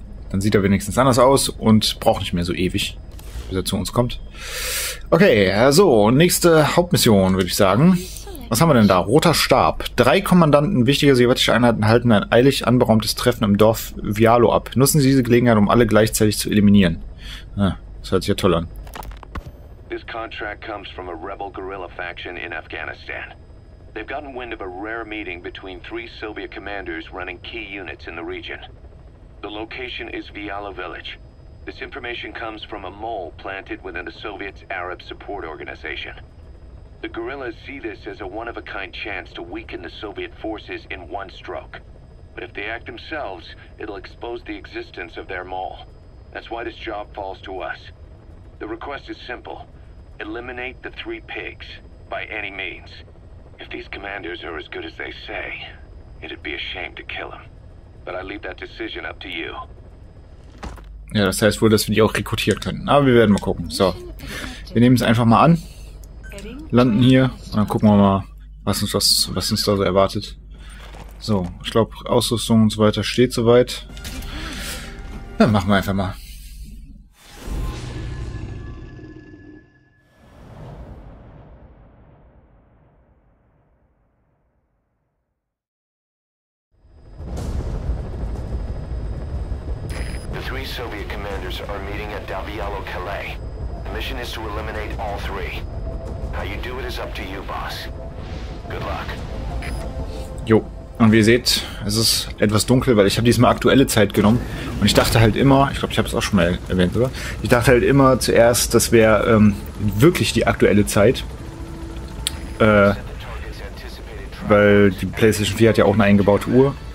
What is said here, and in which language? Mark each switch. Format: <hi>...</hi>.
<de>Dann sieht er wenigstens anders aus und braucht nicht mehr so ewig, bis er zu uns kommt. Okay, also nächste Hauptmission, würde ich sagen. Was haben wir denn da? Roter Stab. Drei Kommandanten wichtiger sowjetischer Einheiten halten ein eilig anberaumtes Treffen im Dorf Vialo ab. Nutzen Sie diese Gelegenheit, um alle gleichzeitig zu eliminieren. Ja, das hört sich ja toll an.</de> <en>This contract comes from a rebel guerrilla faction in Afghanistan. They've gotten wind of a rare meeting between three Soviet commanders running key units in the region. The location is Vialo Village. This information comes from a mole planted within the Soviet's Arab support organization. The guerrillas see this as a one-of-a-kind chance to weaken the Soviet forces in one stroke. But if they act themselves, it'll expose the existence of their mole. That's why this job falls to us. The request is simple. Eliminate the three pigs, by any means. If these commanders are as good as they say, it'd be a shame to kill them. But I leave that decision up to you.</en> <de>Ja, das heißt wohl, dass wir die auch rekrutieren können. Aber wir werden mal gucken. So, wir nehmen es einfach mal an. Landen hier und dann gucken wir mal, was uns da so erwartet. So, ich glaube, Ausrüstung und so weiter steht soweit. Dann machen wir einfach mal.</de> <en>The three Soviet commanders are meeting at Davialo Calais. The mission is to eliminate all three. How you do it is up to you, boss. Good luck.</en> <de>Jo, und wie ihr seht, es ist etwas dunkel, weil ich habe diesmal aktuelle Zeit genommen. Und ich dachte halt immer, ich glaube, ich habe es auch schon mal erwähnt, oder? Ich dachte halt immer zuerst, das wäre wirklich die aktuelle Zeit. Weil die PlayStation 4 hat ja auch eine eingebaute Uhr.</de>